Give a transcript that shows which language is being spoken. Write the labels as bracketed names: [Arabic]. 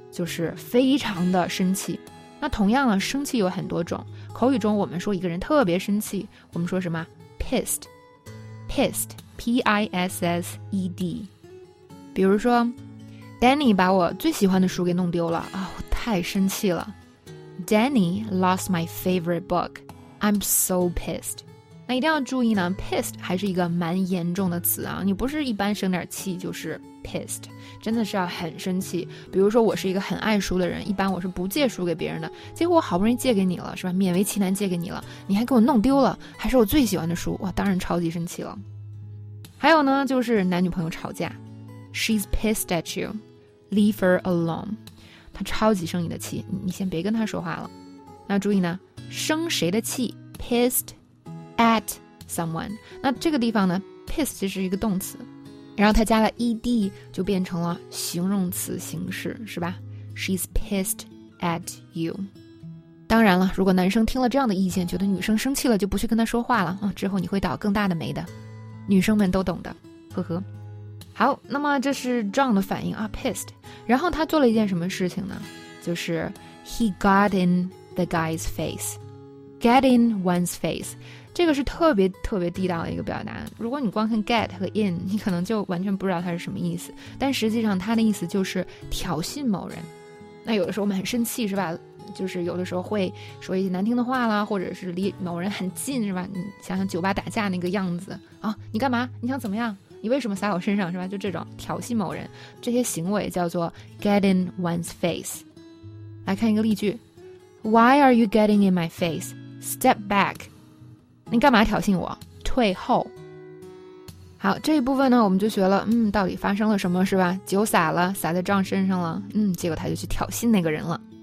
[Chinese] 就是非常的生气。那同样呢，生气有很多种，口语中我们说一个人特别生气，我们说什么？ [English] Pissed， Pissed， P-I-S-S-E-D。 [Chinese] 比如说 Danny 把我最喜欢的书给弄丢了，我太生气了。 [English] Danny lost my favorite book. I'm so pissed。 [Chinese] 那一定要注意呢， pissed 还是一个蛮严重的词啊，你不是一般生点气就是 pissed， 真的是要很生气。比如说我是一个很爱书的人，一般我是不借书给别人的，结果我好不容易借给你了，是吧，勉为其难借给你了，你还给我弄丢了，还是我最喜欢的书，哇，当然超级生气了。还有呢，就是男女朋友吵架， [English] She's pissed at you, leave her alone。 [Chinese] 她超级生你的气， 你先别跟她说话了。那注意呢，生谁的气， pissedat someone， 那这个地方呢 pissed 其实是一个动词，然后它加了 ed 就变成了形容词形式，是吧？ [English] She's pissed at you。 [Chinese] 当然了，如果男生听了这样的意见，觉得女生生气了，就不去跟他说话了，之后你会倒更大的霉的，女生们都懂的，呵呵。好，那么这是 John 的反应啊， pissed。然后他做了一件什么事情呢？ [English] 就是 he got in the guy's face。 get in one's face， [Chinese] 这个是特别特别地道的一个表达，如果你光看 get 和 in， 你可能就完全不知道它是什么意思，但实际上它的意思就是挑衅某人。那有的时候我们很生气，是吧，就是有的时候会说一些难听的话啦，或者是离某人很近，是吧，你想想酒吧打架那个样子啊，你干嘛，你想怎么样，你为什么撒我身上，是吧，就这种挑衅某人，这些行为叫做 [English] get in one's face。 [Chinese] 来看一个例句， [English] Why are you getting in my face? Step back， [Chinese] 你干嘛挑衅我？退后。好，这一部分呢，我们就学了，到底发生了什么，是吧？酒洒了，洒在John身上了，结果他就去挑衅那个人了。